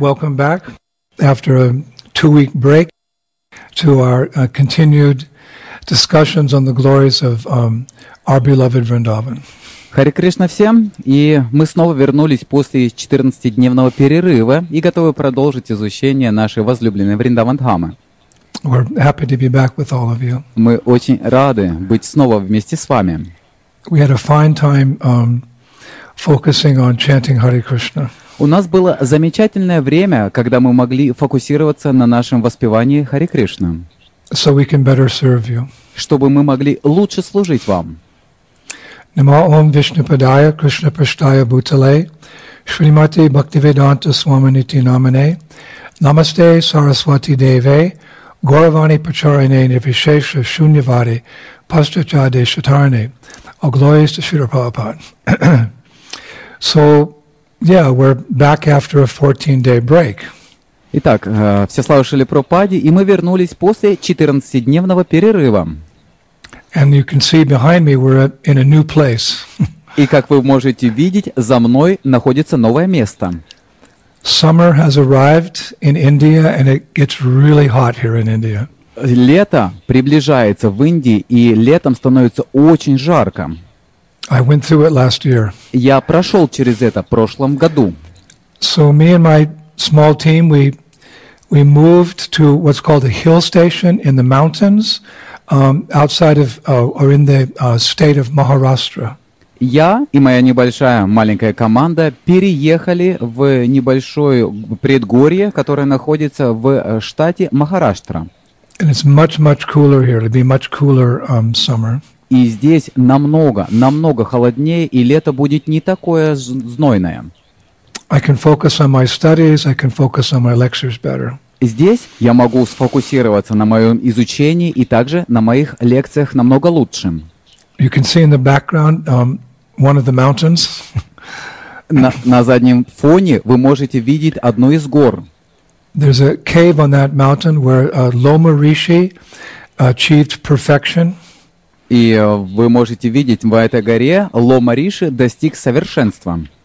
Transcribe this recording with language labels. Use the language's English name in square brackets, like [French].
[English] Welcome back after a two-week break to our continued discussions on the glories of our beloved Vrindavan. [Russian] Hare Krishna всем, и мы снова вернулись после 14-дневного перерыва и готовы продолжить изучение нашей возлюбленной Вриндаван-дхамы. [English] We're happy to be back with all of you. [Russian] Мы очень рады быть снова вместе с вами. [English] We had a fine time focusing on chanting Hare Krishna. [Russian] У нас было замечательное время, когда мы могли фокусироваться на нашем воспевании Хари Кришна. [English] So we can better serve you. [Russian] Чтобы мы могли лучше служить вам. [Sanskrit] Нама Ом Вишнупадая Кришна Праштая Бутале Шримати Бхактивиданта Свамините Намане Намасте Сарасвати Деве Гуравани Пачарине Нирвишеша Шуньявади Пасчачаде Шатарне О Глории Шрила Прабхупада. [English] So, yeah, we're back after a 14-day break. [Russian] Итак, все слава Шриле Прабхупаде, и мы вернулись после 14-дневного перерыва. [English] And you can see behind me we're in a new place. [Russian] И как вы можете видеть, за мной находится новое место. [English] Summer has arrived in India and it gets really hot here in India. [Russian] Лето приближается в Индии, и летом становится очень жарко. [English] I went through it last year. [Russian] Я прошел через это в прошлом году. [English] So me and my small team we moved to what's called a hill station in the mountains outside of or in the state of Maharashtra. [Russian] Я и моя небольшая маленькая команда переехали в небольшое предгорье, которое находится в штате Махараштра. [English] And it's much much cooler here. It'll be much cooler summer. [Russian] И здесь намного, намного холоднее, и лето будет не такое знойное. [English] I can focus on my studies, I can focus on my lectures better. [Russian] Здесь я могу сфокусироваться на моем изучении и также на моих лекциях намного лучше. [English] You can see in the background one of the mountains. [Russian] На заднем фоне вы можете видеть одну из гор. [English] There's a cave on that mountain where Loma Rishi achieved perfection. [Russian] И вы можете видеть, в этой горе Лома Риши достиг совершенства.